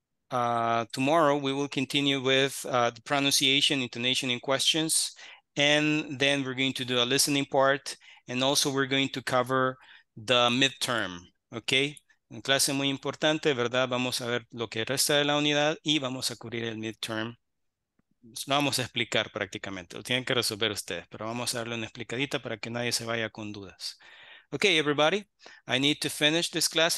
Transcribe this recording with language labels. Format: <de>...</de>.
<en>tomorrow we will continue with the pronunciation, intonation, and questions, and then we're going to do a listening part, and also we're going to cover the midterm, okay?</en> <es>Una clase muy importante, ¿verdad? Vamos a ver lo que resta de la unidad y vamos a cubrir el midterm. No vamos a explicar prácticamente, lo tienen que resolver ustedes, pero vamos a darle una explicadita para que nadie se vaya con dudas.</es> <en>Okay, everybody, I need to finish this class.</en>